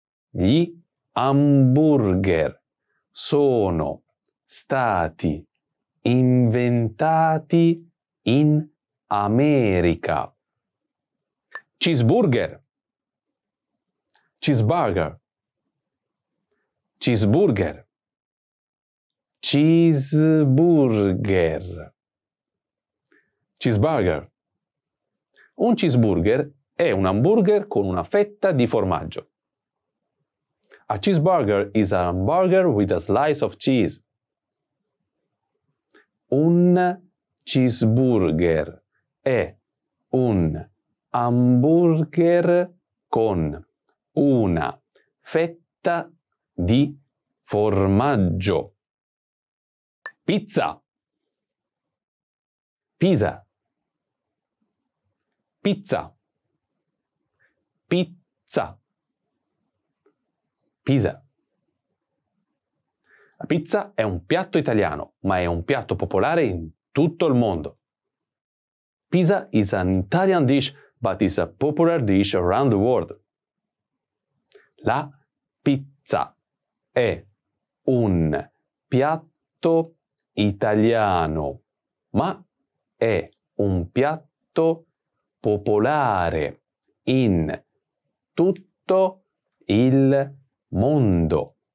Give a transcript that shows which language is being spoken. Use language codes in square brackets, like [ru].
[it] Gli hamburger sono stati inventati in America. Cheeseburger. Cheeseburger. Cheeseburger. [en] Cheeseburger. Cheeseburger. [it] Un cheeseburger è un hamburger con una fetta di formaggio. [en] A cheeseburger is a hamburger with a slice of cheese. [it] Un cheeseburger è un hamburger con una fetta di formaggio. Pizza. Pizza. Pizza. Pizza. Pizza. La pizza è un piatto italiano, ma è un piatto popolare in tutto il mondo. [en] Pizza is an Italian dish, but is a popular dish around the world. [it] La pizza è un piatto italiano, ma è un piatto popolare in tutto il mondo.